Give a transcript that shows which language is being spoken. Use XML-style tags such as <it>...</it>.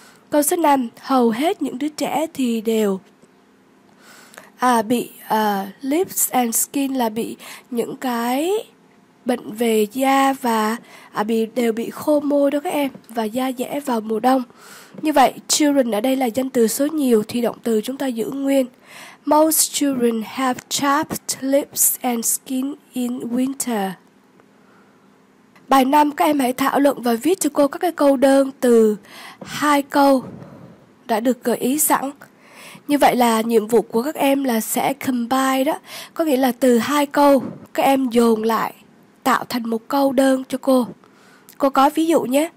<vi>Câu số 5, hầu hết những đứa trẻ thì đều bị</vi> <en>lips and skin</en> <vi>là bị những cái bệnh về da và đều bị khô môi đó các em và da dẻ vào mùa đông. Như vậy children ở đây là danh từ số nhiều thì động từ chúng ta giữ nguyên.</vi> <en>Most children have chapped lips and skin in winter.</en> <vi>Bài 5, các em hãy thảo luận và viết cho cô các cái câu đơn từ hai câu đã được gợi ý sẵn. Như vậy là nhiệm vụ của các em là sẽ combine đó, có nghĩa là từ hai câu các em dồn lại tạo thành một câu đơn cho cô. Cô có ví dụ nhé.</vi>